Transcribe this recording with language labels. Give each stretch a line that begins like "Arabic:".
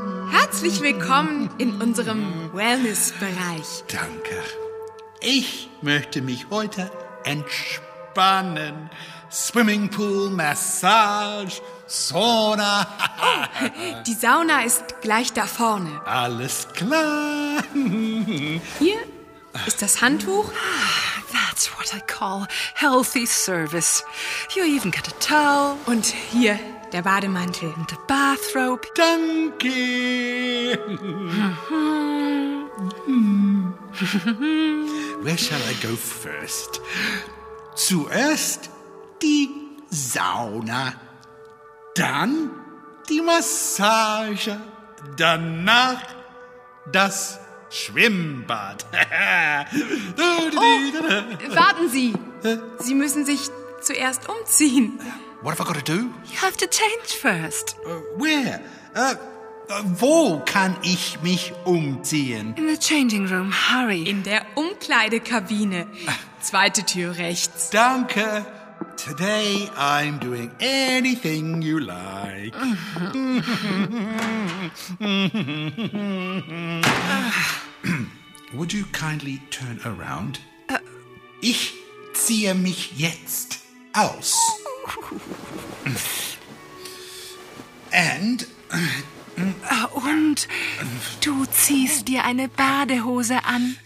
German: Herzlich willkommen in unserem Wellnessbereich. Danke. Ich möchte mich heute entspannen. Swimmingpool, Massage, Sauna. Oh, die Sauna ist gleich da vorne. Alles klar. Hier ist das Handtuch.
English: That's what I call healthy service. You even got a towel.
German: Und hier der Bademantel.
English: And the bathrobe.
German: Danke.
English: Where shall I go first?
German: Zuerst die Sauna, dann die Massage, danach das Schwimmbad. Oh, warten Sie. Sie müssen sich zuerst umziehen.
English: What have I got to do? You have to change first. Where?
German: Wo kann ich mich umziehen?
English: In the changing room, hurry.
German: In der Umkleidekabine. Zweite Tür rechts. Danke.
English: Today I'm doing anything you like. Would you kindly turn around?
German: Ich ziehe mich jetzt aus.
English: And...
German: Und du ziehst dir eine Badehose an.